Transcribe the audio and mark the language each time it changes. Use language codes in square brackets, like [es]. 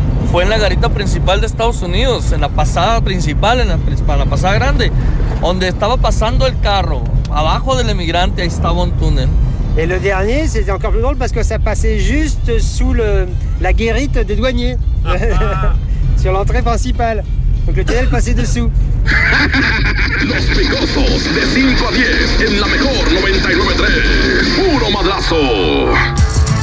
[es] Fue en la garita principal de Estados Unidos, en la pasada principal, en la pasada grande, donde estaba pasando el carro, abajo del emigrante, ahí estaba un túnel. Y el último, [fr] c'était encore plus drôle, porque ça passait juste sous la guérite de douanier, sur l'entrée principale. Donc le túnel passait dessous. [es] Los picosos de 5 a 10, en la mejor 99.3, puro madrazo.